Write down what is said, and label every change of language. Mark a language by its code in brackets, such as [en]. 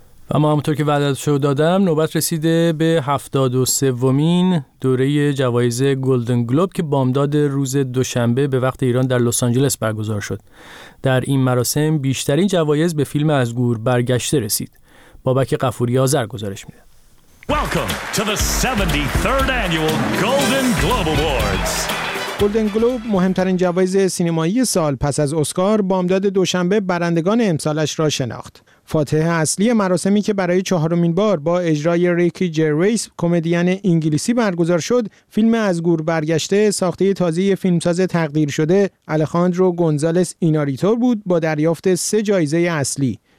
[fa] و ما همونطور که وعده‌شو دادم نوبت رسیده به 73rd دوره جوایز گلدن گلوب که بامداد روز دوشنبه به وقت ایران در لس آنجلس برگزار شد. در این مراسم بیشترین جوایز به فیلم از گور برگشته رسید. بابک غفوری آذر گزارش میده. [en] Welcome to the 73rd annual Golden Globe Awards. [fa] گلدن گلوب مهمترین جوایز سینمایی سال پس از اسکار بامداد دوشنبه برندگان امسالش را شناخت. فاتح اصلی مراسمی که برای چهارمین بار با اجرای ریکی جرویس کمدین انگلیسی برگزار شد، فیلم از گور برگشته ساخته تازه فیلمساز تقدیر شده الخاندرو گونزالس ایناریتو بود با دریافت 3 جایزه اصلی.